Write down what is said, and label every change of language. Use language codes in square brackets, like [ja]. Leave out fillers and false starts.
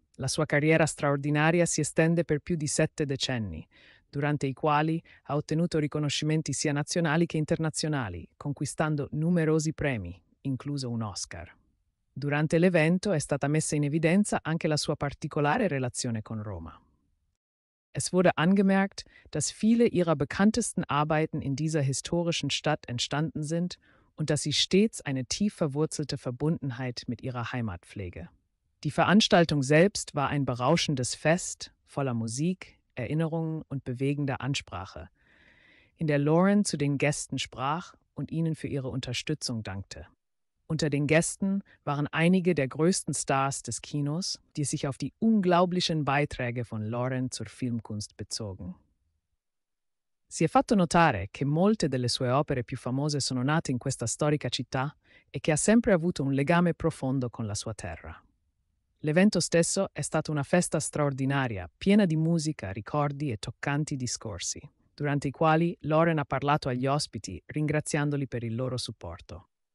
[it] La sua carriera straordinaria si estende per più di 7 decenni, durante i quali ha ottenuto riconoscimenti sia nazionali che internazionali, conquistando numerosi premi, incluso un Oscar. Durante l'evento è stata messa in evidenza anche la sua particolare relazione con Roma. [de] Es wurde angemerkt, dass viele ihrer bekanntesten Arbeiten in dieser historischen Stadt entstanden sind und dass sie stets eine tief verwurzelte Verbundenheit mit ihrer Heimat pflege. Die Veranstaltung selbst war ein berauschendes Fest, voller Musik, Erinnerungen und bewegender Ansprache, in der Loren zu den Gästen sprach und ihnen für ihre Unterstützung dankte. Unter den Gästen waren einige der größten Stars des Kinos, die sich auf die unglaublichen Beiträge von Loren zur Filmkunst bezogen. [it] Si è fatto notare che molte delle sue opere più famose sono nate in questa storica città e che ha sempre avuto un legame profondo con la sua terra. L'evento stesso è stata una festa straordinaria, piena di musica, ricordi e toccanti discorsi, durante i quali Loren ha parlato agli ospiti, ringraziandoli per il loro supporto.